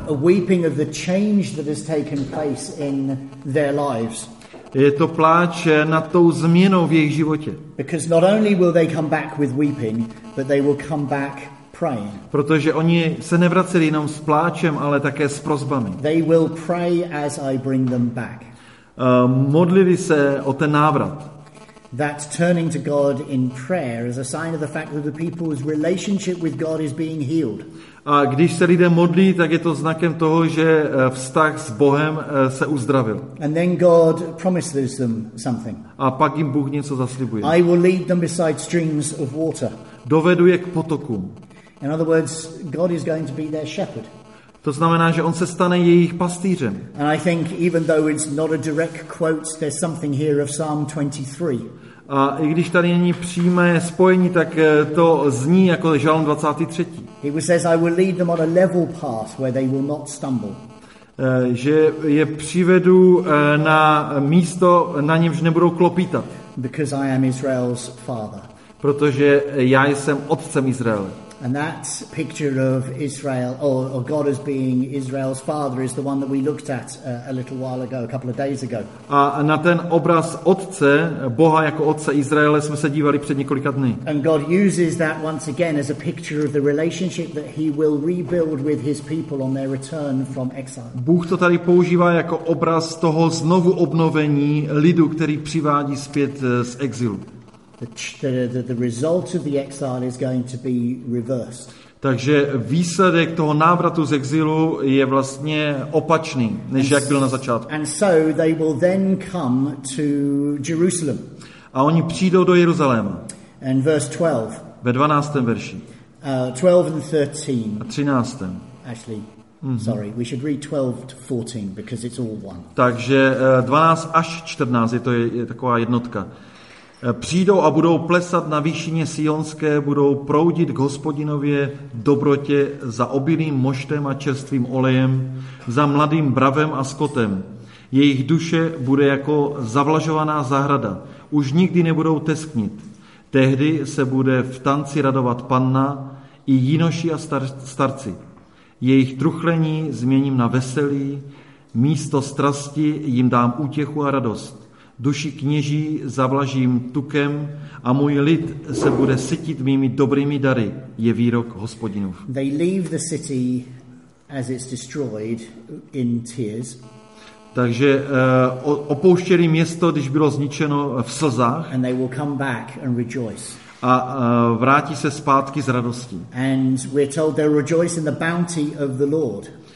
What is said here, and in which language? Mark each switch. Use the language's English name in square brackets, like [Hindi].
[English] A weeping of the change that has taken place in their lives. [Czech] Je to pláč nad tou změnou v jejich životě. [English] Because not only will they come back with weeping, but they will come back praying. [Czech] Protože oni se nevraceli jenom s pláčem, ale také s prosbami. [English] They will pray as I bring them back. [Czech] Modlili se o ten návrat. [English] That turning to God in prayer is a sign of the fact that the people's relationship with God is being healed. [Czech] A když se lidé modlí, tak je to znakem toho, že vztah s Bohem se uzdravil. [English] And then God promises them something. [Czech] A pak jim Bůh něco zaslibuje. [English] I will lead them beside streams of water. [Czech] Dovedu je k potokům. [English] In other words, God is going to be their shepherd. [Czech] To znamená, že on se stane jejich pastýřem. [English] And I think even though it's not a direct quote, there's something here of Psalm 23. [Czech] A i když tady není přímé spojení, tak to zní jako Žalm 23. [English] He says, I will lead them on a level path where they will not stumble. [Czech] Že je přivedu na místo, na němž nebudou klopítat. [English] Because I am Israel's father. [Czech] Protože já jsem otcem Izraele. [English] And that picture of Israel, or God as being Israel's father, is the one that we looked at a little while ago, a couple of days ago. [Czech] A na ten obraz otce, Boha jako otce Izraele, jsme se dívali před několika dny. [English] And God uses that once again as a picture of the relationship that he will rebuild with his people on their return from exile. [Czech] Bůh to tady používá jako obraz toho znovu obnovení lidu, který přivádí zpět z exilu. [English] The result of the exile is going to be reversed. [Czech] Takže výsledek toho návratu z exilu je vlastně opačný, než jak byl na začátku. [English] And so they will then come to Jerusalem. [Czech] A oni přijdou do Jeruzaléma. [English] And verse 12. [Czech] Ve 12. verši. [English] 12 and 13. [Czech] A 13. [English] Actually, sorry, we should read 12 to 14 because it's all one. [Czech] Takže 12 až 14 je taková jednotka. Přijdou a budou plesat na výšině Sionské, budou proudit k Hospodinově dobrotě za obilým moštem a čerstvým olejem, za mladým bravem a skotem. Jejich duše bude jako zavlažovaná zahrada, už nikdy nebudou tesknit. Tehdy se bude v tanci radovat panna i jinoši a starci. Jejich truchlení změním na veselí, místo strasti jim dám útěchu a radost. Duši kněží zavlažím tukem a můj lid se bude sytit mými dobrými dary, je výrok Hospodinův. [English] They leave the city as it's destroyed in tears. [Czech] Takže opouštěli město, když bylo zničeno, v slzách. [English] And they will come back and rejoice. [Czech] A vrátí se zpátky s radostí. [English] And we're told they'll rejoice in the bounty of the Lord.